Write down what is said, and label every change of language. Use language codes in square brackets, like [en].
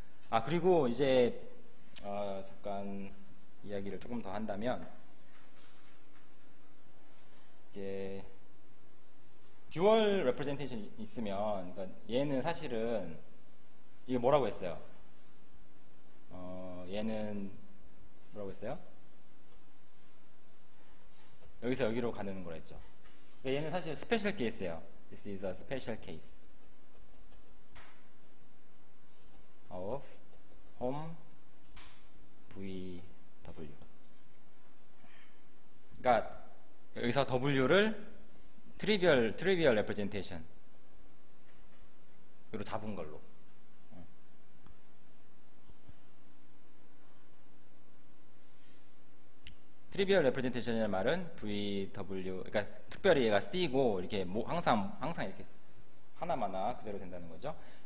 [ko] 아 그리고 이제 잠깐 이야기를 조금 더 한다면 이게 듀얼 레프레젠테이션이 있으면 그러니까 얘는 사실은 이게 뭐라고 했어요? 얘는 뭐라고 했어요? 여기서 여기로 가는 거라 했죠. 그러니까 얘는 사실 스페셜 케이스예요. [en] This is a special case of home v W. [ko] 그러니까 여기서 W를 트리비얼 레프레젠테이션으로 잡은 걸로. 트리비얼 레프레젠테이션이라는 말은 VW 그러니까 특별히 얘가 C고 이렇게 뭐 항상 이렇게 하나마나 그대로 된다는 거죠.